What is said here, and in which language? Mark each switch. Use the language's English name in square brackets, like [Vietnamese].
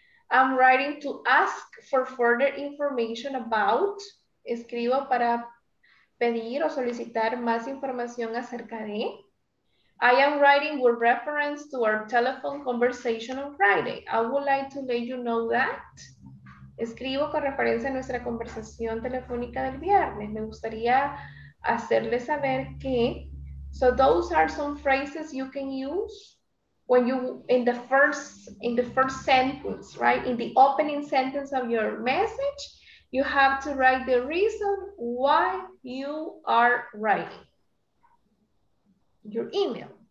[English] I'm writing to ask for further information about, [Spanish] escribo para pedir o solicitar más información acerca de. [English] I am writing with reference to our telephone conversation on Friday. I would like to let you know that. [Spanish] Escribo con referencia a nuestra conversación telefónica del viernes. Me gustaría hacerle saber que. [English] So those are some phrases you can use. When you, in the first sentence, right? In the opening sentence of your message, you have to write the reason why you are writing your email.